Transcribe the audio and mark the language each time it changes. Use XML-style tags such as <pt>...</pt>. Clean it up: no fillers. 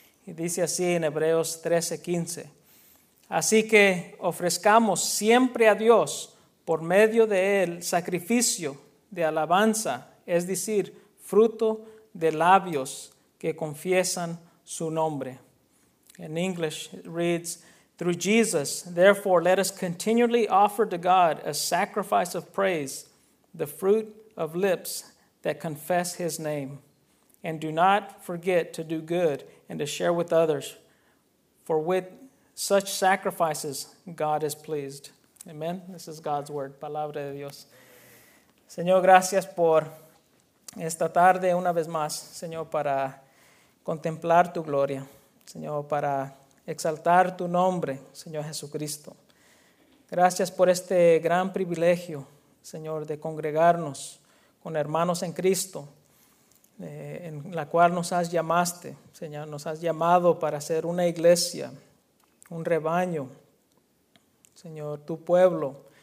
<es>Y dice así en Hebreos 13:15. Así que ofrezcamos siempre a Dios por medio de él sacrificio de alabanza, es decir, fruto de labios que confiesan su nombre.</es> <en>In English it reads, through Jesus, therefore let us continually offer to God a sacrifice of praise, the fruit of lips that confess his name. And do not forget to do good and to share with others, for with such sacrifices God is pleased. Amen. This is God's word,</en> <es>palabra de Dios. Señor, gracias por esta tarde una vez más, Señor, para contemplar tu gloria, Señor, para exaltar tu nombre, Señor Jesucristo. Gracias por este gran privilegio, Señor, de congregarnos con hermanos en Cristo, en la cual nos has llamaste, Señor, nos has llamado para ser una iglesia, un rebaño, Señor, tu pueblo.</es>